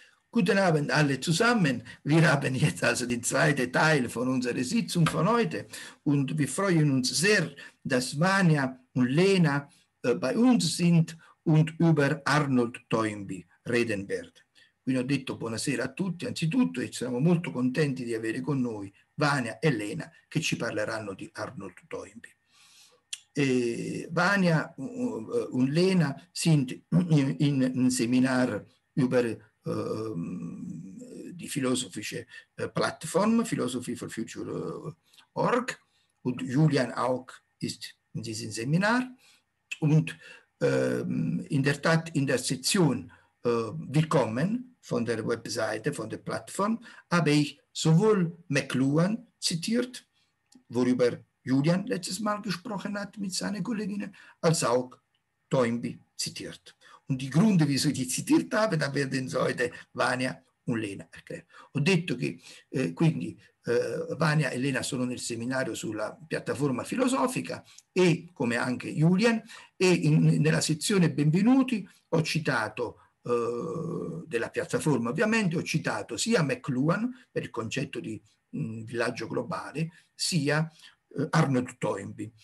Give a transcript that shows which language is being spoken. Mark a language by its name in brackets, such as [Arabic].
[German] Guten Abend alle zusammen. Wir haben jetzt also den zweiten Teil von unserer Sitzung von heute und wir freuen uns sehr, dass Vania und Lena bei uns sind und über Arnold Toynbee reden werden. [Italian] Quindi ho detto buonasera a tutti, anzitutto, e siamo molto contenti di avere con noi Vania e Lena che ci parleranno di Arnold Toynbee. [German] Vania und Lena sind in Seminar über die philosophische Plattform, Philosophy for Future.org, und Julian Auk ist in diesem Seminar. Und in der Tat, in der Session Willkommen von der Webseite, von der Plattform, habe ich sowohl McLuhan zitiert, worüber Julian letztes Mal gesprochen hat mit seinen Kolleginnen, als auch Toynbee zitiert. Und die Gründe, wieso ich die zitiert habe, da werden sie heute Vania und Lena erklären. [Italian] Ho detto che quindi Vania e Lena sono nel seminario sulla piattaforma filosofica e come anche Julian, e nella sezione Benvenuti ho citato della piattaforma, ovviamente, ho citato sia McLuhan per il concetto di villaggio globale, sia Arnold Toynbee.